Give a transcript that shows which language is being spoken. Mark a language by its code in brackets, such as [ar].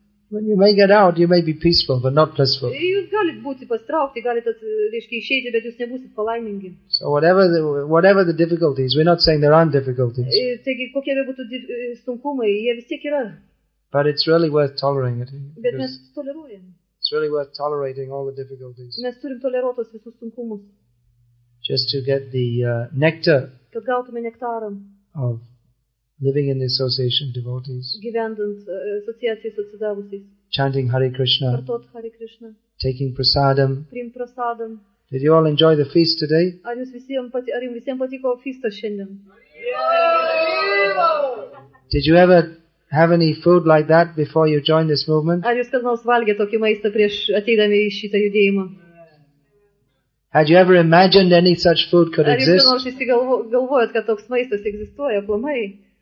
[en] When you may get out, you may be peaceful, but not blissful. [lt] Jūs galite būti pastraukti, galite, reiškia, išeiti, bet jūs nebūsit palaimingi. [en] So whatever the difficulties, we're not saying there aren't difficulties. [lt] Taigi, kokie bebūtų sunkumai, jie vis tiek yra. [en] But it's really worth tolerating it. [lt] Bet mes toleruojam. [en] It's really worth tolerating all the difficulties. [lt] Mes turim toleruoti visus sunkumus. [en] Just to get the nectar. [lt] Kad gautume nektarą. [en] Of living in the association of devotees. [lt] Gyvendant asociacijai su atsidavusiais. [en] Chanting Hare Krishna. [lt] Kartot Hare Krishna. [en] Taking prasadam. [lt] Priimt prasadam. [en] Did you all enjoy the feast today? [lt] Ar jums visiem patiko feastas šiandien? [en] Did you ever have any food like that before you joined this movement? [lt] Ar jūs kada nors valgėte tokį maistą prieš ateidami į šitą judėjimą? [en] Had you ever imagined any such food could exist? [lt] Ar jūs galvojot, kad toks maistas egzistuoja aplamai?